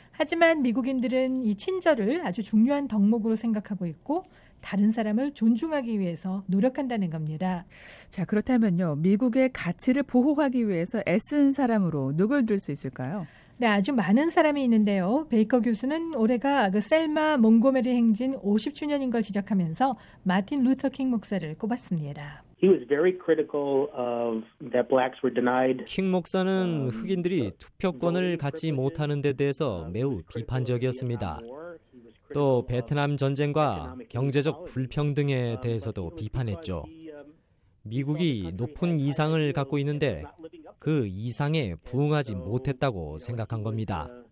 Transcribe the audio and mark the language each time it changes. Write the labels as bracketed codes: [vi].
[ko] 하지만 미국인들은 이 친절을 아주 중요한 덕목으로 생각하고 있고 다른 사람을 존중하기 위해서 노력한다는 겁니다. 자, 그렇다면요. 미국의 가치를 보호하기 위해서 애쓴 사람으로 누굴 들 수 있을까요? 네, 아주 많은 사람이 있는데요. 베이커 교수는 올해가 그 셀마 몽고메리 행진 50주년인 걸 지적하면서 마틴 루터 킹 목사를 꼽았습니다. [en] He was very critical of that blacks were denied. [ko] 킹 목사는 흑인들이 투표권을 갖지 못하는 데 대해서 매우 비판적이었습니다. 또 베트남 전쟁과 경제적 불평등에 대해서도 비판했죠. 미국이 높은 이상을 갖고 있는데 그 이상에 부응하지 못했다고 생각한 겁니다.